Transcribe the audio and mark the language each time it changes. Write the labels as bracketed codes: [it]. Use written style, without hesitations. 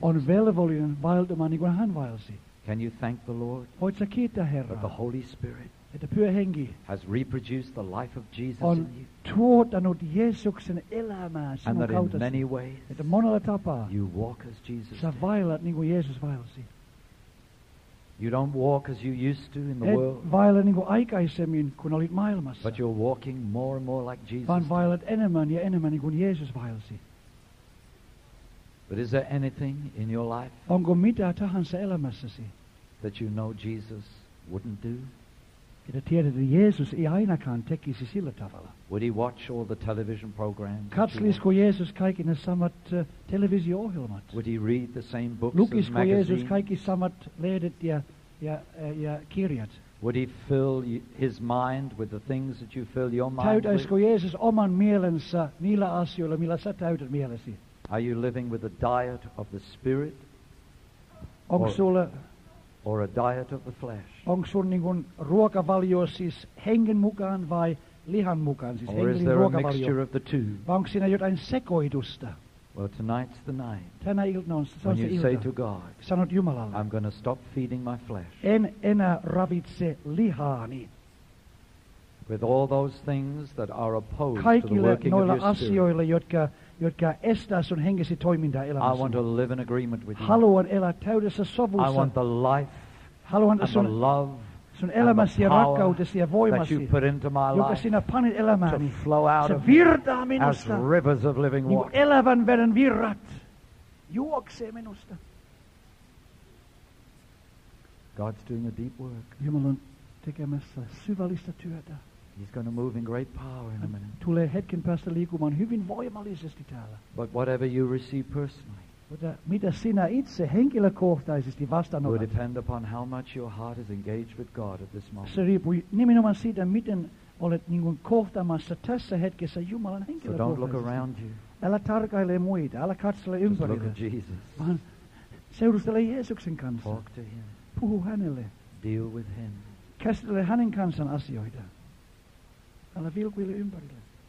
[fi] On velvollinen vaeltamaan niin kuin hän vaelsi. [en] Can you thank the Lord? [fi] Voit sä kiittää Herraa? [en] But the Holy Spirit, [fi] että pyhä henki [en] has reproduced the life of Jesus [fi] on tuottanut Jeesuksen elämää sinun [en] and that [fi] kautta. [en] In many ways, [fi] että monella tapaa [en] you walk as Jesus [fi] sä vaelat niin kuin Jeesus vaelsi. [en] You don't walk as you used to in the [fi] et [en] world. [fi] Vaelat niin kuin aikaisemmin kun olit maailmassa. [en] But you're walking more and more like Jesus. [fi] Vaan vaelat enemmän ja enemmän niin kuin Jeesus vaelsi. [en] But is there anything in your life, [fi] onko mitä tahansa elämässäsi, [en] that you know Jesus wouldn't do? [fi] Että tiedät, että Jeesus ei ainakaan tekisi sillä tavalla. [en] Would he watch all the television programs? [fi] Katselisiko Jeesus kaikki ne samat televisio-ohjelmat? [en] Would he read the same books? [fi] Lukisiko Jeesus kaikki samat lehdet ja kirjat? [en] Would he fill his mind with the things that you fill your mind with? [fi] Täytäisikö Jeesus oman mielensä niillä asioilla, millä sä täytät mielesi? [en] Are you living with a diet of the spirit? Or a diet of the flesh. [fi] Onko sun niin kuin ruokavalio siis hengen mukaan vai lihan mukaan siis hengellinen ruokavalio? [en] Or is there a mixture of the two? [fi] Vai onko siinä jotain sekoitusta? [en] Well, tonight's the night. [fi] Tänä iltana on se ilta. [en] When you say to God, [fi] sanot Jumalalle, [en] I'm going to stop feeding my flesh. [fi] En enää ravitse lihaani. [en] With all those things that are opposed [fi] kaikille [en] to the working of your spirit. [fi] Kaikille noilla asioille, jotka estää sun hengesi toimintaa elämässä. [en] I want to live in agreement with you. [fi] Haluan elää täydessä sovussa. [en] I want the life. [fi] Haluan [en] and the love. [fi] Sun elämäsi ja rakkautesi ja voimasi. [en] That you put into my life. [fi] Joka sinä panit elämääni. [en] To flow out of me. As rivers of living water. [fi] Niin kuin elävän veden virrat juoksee minusta. [en] God's doing a deep work. [fi] Jumala on tekemässä syvällistä työtä. [en] He's going to move in great power in a minute. [fi] Tulee hetken päästä liikumaan hyvin voimallisesti täällä. [en] But whatever you receive personally, [fi] mitä sinä itse henkilökohtaisesti vastaanotat, [en] will depend upon how much your heart is engaged with God at this moment. [fi] Se riippuu nimenomaan siitä, miten olet niin kuin kohtaamassa tässä hetkessä Jumalan henkilökohtaisesti. [en] So don't look around you. [fi] Älä tarkaile muita, älä katsele ympärille. [en] Just look at Jesus. [fi] Vaan seurustele Jeesuksen kanssa. [en] Talk to him. [fi] Puhu hänelle. [en] Deal with him. [fi] Käsittele hänen kanssaan asioita. Älä vilkuile ympärille.